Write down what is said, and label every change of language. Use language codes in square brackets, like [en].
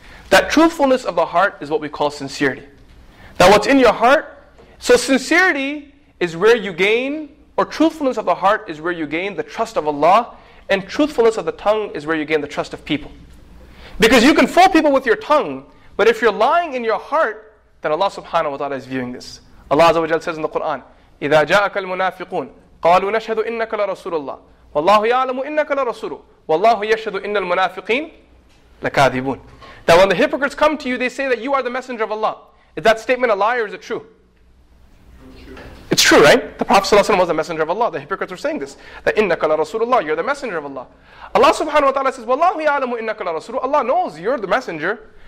[en] That truthfulness of the heart is what we call sincerity. Now what's in your heart? So sincerity is where you gain, or truthfulness of the heart is where you gain the trust of Allah, and truthfulness of the tongue is where you gain the trust of people. Because you can fool people with your tongue, but if you're lying in your heart, then Allah subhanahu wa ta'ala is viewing this. Allah Azza wa Jalla says in the Quran, [ar] إِذَا جَاءَكَ الْمُنَافِقُونَ قَالُوا نَشْهَدُ إِنَّكَ لَرَسُولُ اللَّهِ وَاللَّهُ يَعْلَمُ إِنَّكَ لَرَسُولُ وَاللَّهُ يَشْهَدُ إِنَّ الْمُنَافِقِينَ لَكَاذِبُونَ. [en] That when the hypocrites come to you, they say that you are the messenger of Allah. Is that statement a lie or is it true? It's true, right? The Prophet ﷺ was the messenger of Allah. The hypocrites were saying this. That [ar] إِنَّكَ لَرَسُولُ اللَّهِ, [en] you're the messenger of Allah. Allah subhanahu wa ta'ala says, [ar] وَاللَّهُ يَعْلَمُ إِنَّكَ لَرَسُولُ. [en] Allah knows you're the messenger.